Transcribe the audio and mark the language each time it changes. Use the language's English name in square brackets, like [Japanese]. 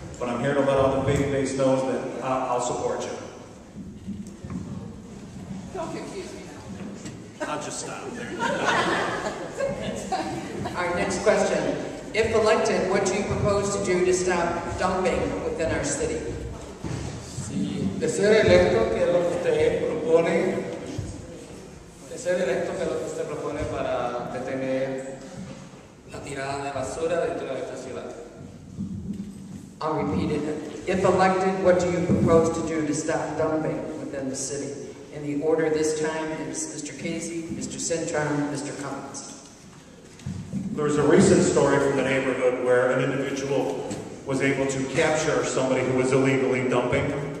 [English] But I'm here to let all the faith-based know that I'll support you. Don't confuse me now. I'll just stop there. Our next question. If elected, what do you propose to do to stop dumping within our city? [Spanish] De ser electo, ¿qué es lo que usted propone? De ser electo, ¿qué es lo que usted propone para detener la tirada de basura dentro de esta ciudad? [English] I'll repeat it. If elected, what do you propose to do to stop dumping within the city? In the order this time is Mr. Kazy, Mr. Cintron, Mr. Cummins. There was a recent story from the neighborhood where an individual was able to capture somebody who was illegally dumping.